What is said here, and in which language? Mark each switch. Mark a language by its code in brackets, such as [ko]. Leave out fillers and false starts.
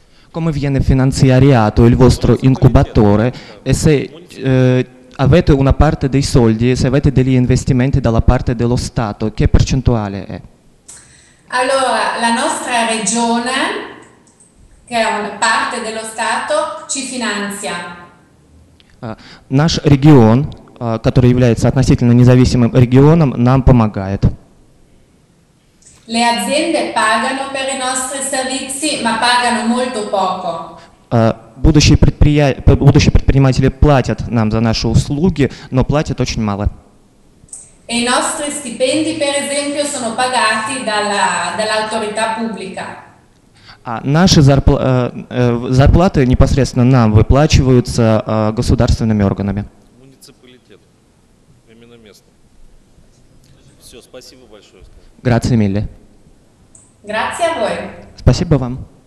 [it] Come viene finanziariato il vostro incubatore e se avete una parte dei soldi, se avete degli investimenti dalla parte dello Stato, che percentuale è? Allora, la nostra regione, che è una parte dello Stato, ci finanzia. [ru] Наш регион, который является относительно независимым регионом, нам помогает. [it] Le aziende pagano per i nostri servizi, ma pagano molto poco. [ru] Будущие предприниматели платят нам за наши услуги, но платят очень мало. [it] E i nostri stipendi, per esempio, sono pagati dall'autorità pubblica. [ru] А наши зарплаты непосредственно нам выплачиваются государственными органами. Муниципалитет. Именно местным. Все, спасибо большое. [it] Grazie mille. Grazie a voi. [ru] Спасибо вам.